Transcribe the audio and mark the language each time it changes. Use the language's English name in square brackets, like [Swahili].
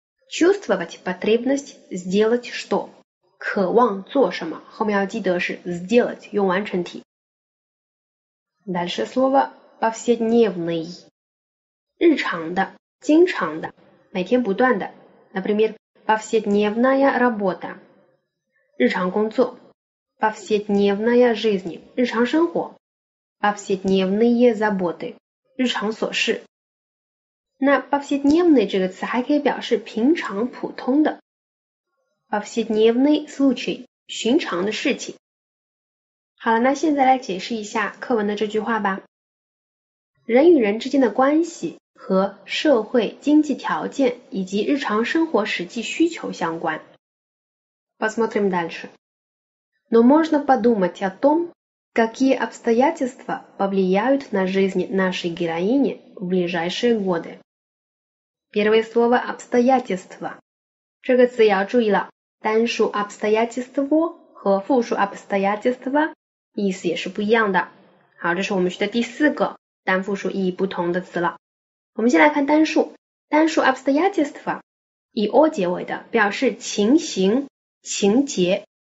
[Russian] Чувствовать потребность сделать что, [Chinese] 渴望做什么，后面要记得是 сделать 用完成体。 Дальше слово повседневный， 日常的、经常的、每天不断的。 [Russian] Например, повседневная работа， [Chinese] 日常工作。 [Russian] Повседневная жизнь， [Chinese] 日常生活。 [Russian] Повседневные заботы， [Chinese] 日常琐事。那 повседневный 这个词还可以表示平常、普通的。 [Russian] повседневный случай, [Chinese] 寻常的事情。好了，那现在来解释一下课文的这句话吧。人与人之间的关系和社会经济条件以及日常生活实际需求相关。 [Russian] Посмотрим дальше. Но можно подумать о том, какие обстоятельства повлияют на жизнь нашей героини в ближайшие годы. Первое слово обстоятельства. [Chinese] 这个词要注意了，单数 обстоятельство 和复数 обстоятельства 意思也是不一样的。好，这是我们学的第四个单复数意义不同的词了。我们先来看单数，单数 обстоятельства 以 о 结尾的表示情形、情节。